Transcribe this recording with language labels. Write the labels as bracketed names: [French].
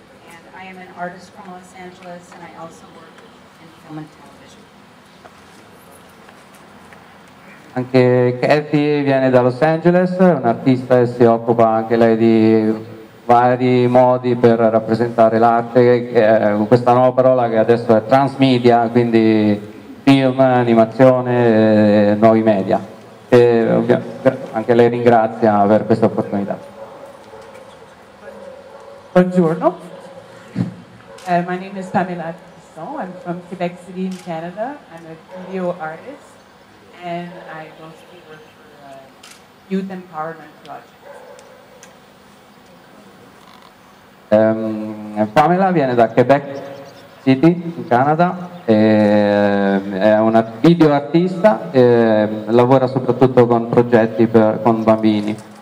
[English] And I am an artist from Los Angeles, and I also work in film and television. [Italian] Anche Kathy viene da Los Angeles, è un'artista e si occupa anche lei di vari modi per rappresentare l'arte, questa nuova parola che adesso è transmedia, quindi film, animazione, nuovi media. E anche lei ringrazia per questa opportunità. [English] Buongiorno, my name is Pamela Tisson, I'm from Quebec City in Canada, I'm a video artist. And I mostly work for Youth Empowerment Project. [Italian] Pamela viene da Quebec City, in Canada, è una video artista e lavora soprattutto con progetti con bambini.